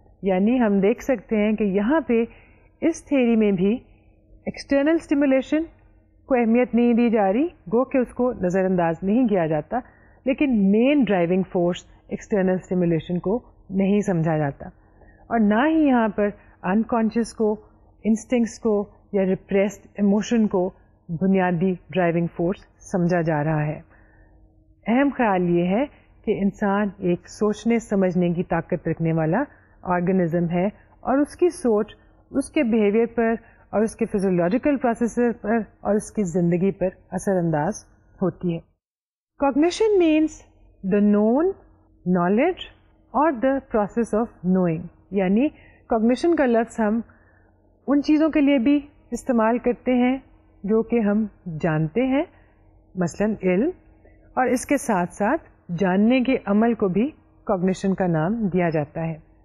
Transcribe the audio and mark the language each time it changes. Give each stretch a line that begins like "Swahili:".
Urdu: یعنی ہم دیکھ سکتے ہیں کہ یہاں پہ اس تھیوری میں بھی ایکسٹرنل اسٹیمولیشن کو اہمیت نہیں دی جا رہی, گو کہ اس کو نظر انداز نہیں کیا جاتا, لیکن main driving force external stimulation کو نہیں سمجھا جاتا اور نہ ہی یہاں پر انکانشیس کو, انسٹنکٹس کو یا ریپریسڈ ایموشن کو بنیادی ڈرائیونگ فورس سمجھا جا رہا ہے. اہم خیال یہ ہے کہ انسان ایک سوچنے سمجھنے کی طاقت رکھنے والا آرگنزم ہے اور اس کی سوچ اس کے بیہیویئر پر اور اس کے فیزیولوجیکل پروسیسز پر اور اس کی زندگی پر اثر انداز ہوتی ہے.
English: Cognition means the known knowledge اور the process of knowing.
Urdu: یعنی کاگنیشن کا لفظ ہم ان چیزوں کے لیے بھی استعمال کرتے ہیں جو کہ ہم جانتے ہیں, مثلا علم, اور اس کے ساتھ ساتھ جاننے کے عمل کو بھی کاگنیشن کا نام دیا جاتا ہے.